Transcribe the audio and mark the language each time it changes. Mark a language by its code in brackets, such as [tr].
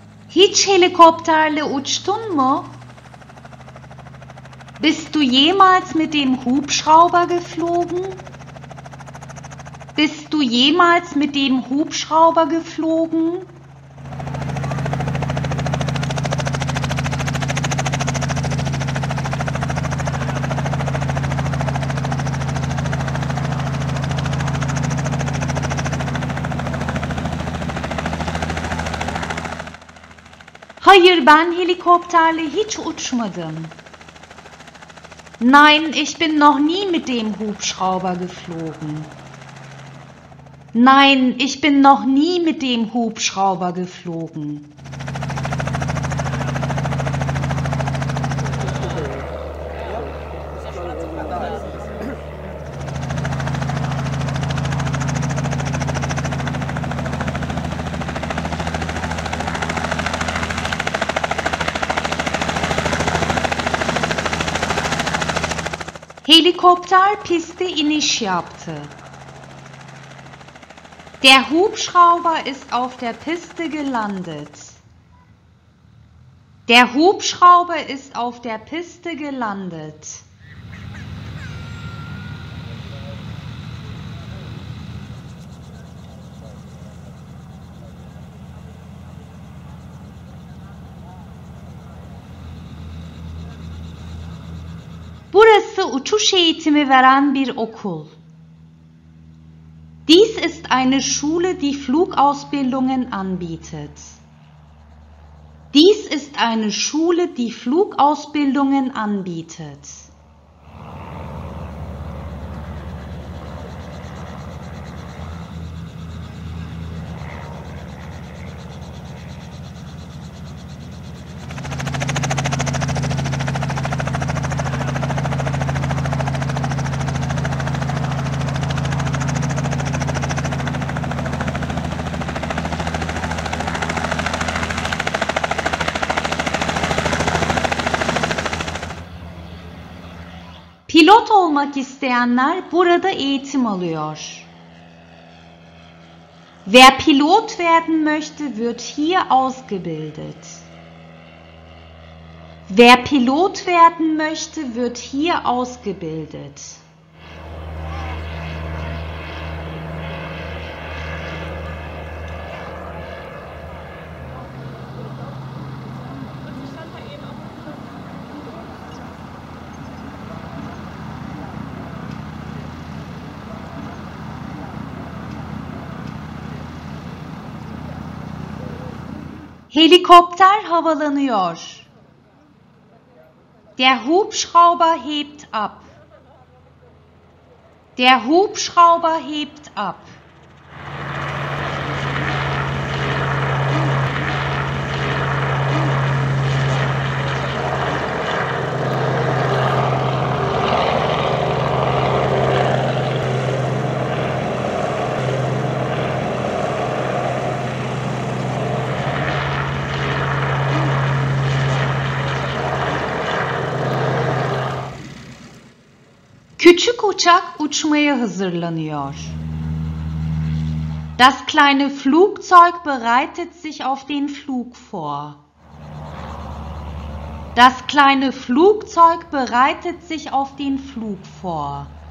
[tr] Hiç helikopterle uçtun mu? [de] Bist du jemals mit dem Hubschrauber geflogen? Bist du jemals mit dem Hubschrauber geflogen? [tr] Hayır, ben helikopterle hiç uçmadım. [de] Nein, ich bin noch nie mit dem Hubschrauber geflogen. Nein, ich bin noch nie mit dem Hubschrauber geflogen. [tr] Helikopter piste iniş yaptı. [de] Der Hubschrauber ist auf der Piste gelandet. Der Hubschrauber ist auf der Piste gelandet. [tr] Burası uçuş eğitimi veren bir okul. [de] Dies ist eine Schule, die Flugausbildungen anbietet. Dies ist eine Schule, die Flugausbildungen anbietet. [tr] Pilot olmak isteyenler burada eğitim alıyor. [de] Wer Pilot werden möchte, wird hier ausgebildet. Wer Pilot werden möchte, wird hier ausgebildet. [tr] Helikopter havalanıyor. [de] Der Hubschrauber hebt ab. Der Hubschrauber hebt ab. [tr] Küçük uçak uçmaya hazırlanıyor. [de] Das kleine Flugzeug bereitet sich auf den Flug vor. Das kleine Flugzeug bereitet sich auf den Flug vor.